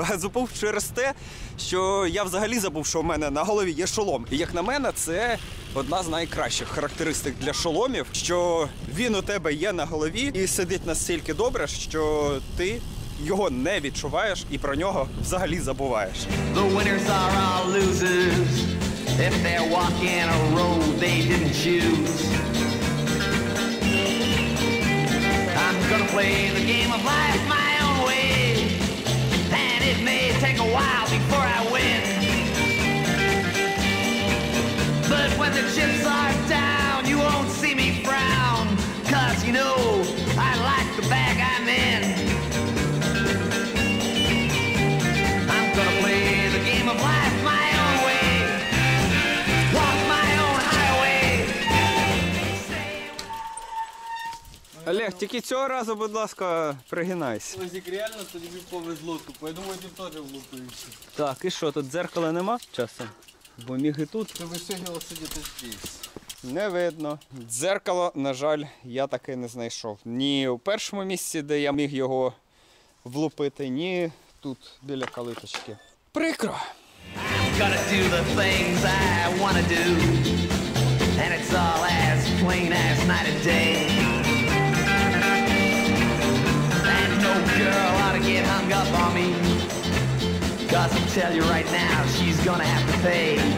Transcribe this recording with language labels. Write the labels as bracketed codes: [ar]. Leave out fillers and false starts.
[uk] Забув через те, що я взагалі забув, що у мене на голові є шолом. І як на мене, це одна з найкращих характеристик для шоломів, що він у тебе є на голові і сидить настільки добре, що ти його не відчуваєш і про нього взагалі забуваєш. [en] The winners are all losers. If they're walking a road they didn't choose. Gonna play the game of life my own way, and it may take a while before I win, but when the chips are down you won't see me frown, 'cause you know I like the bag I'm in. I'm gonna play the game of life my own way, walk my own highway. [uk] Олег, тільки цього разу, будь ласка, пригинайся. Ось як реально, то тобі повезло, то я думаю, ти теж влупився. Так, і що, тут дзеркала нема часом? Бо міг і тут. Ти висягнуло сидіти здесь. Не видно. Дзеркало, на жаль, я таки не знайшов. Ні у першому місці, де я міг його влупити, ні тут, біля калиточки. Прикро. [en] I'm gonna do the things I wanna do. And it's all as plain as night and day. Girl ought to get hung up on me, 'cause I'll tell you right now, she's gonna have to pay.